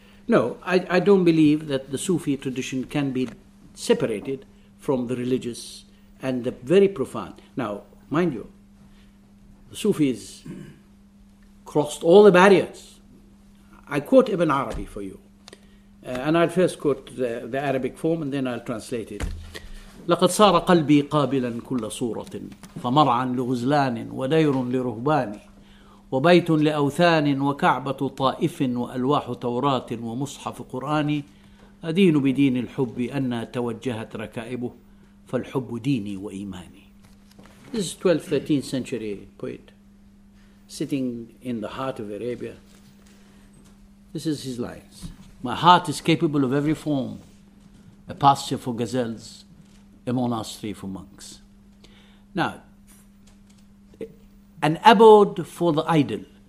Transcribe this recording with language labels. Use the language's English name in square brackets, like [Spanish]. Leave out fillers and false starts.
[English] No, I don't believe that the Sufi tradition can be separated from the religious and the very profound. Now, mind you, the Sufis crossed all the barriers. I quote Ibn Arabi for you. And I'll first quote the Arabic form and then I'll translate it. [Arabic] لقد صار قلبي قابلا كل صورة فمرعا لغزلان ودير لرهبان وبيت لأوثان وكعبة طائف وألواح توراة ومصحف قرآن أدين بدين الحب أن توجهت ركائبه فالحب ديني وإيماني. [English] This is 12th, 13th century poet sitting in the heart of Arabia. This is his lines. My heart is capable of every form, a pasture for gazelles, a monastery for monks. Now, an abode for the idle.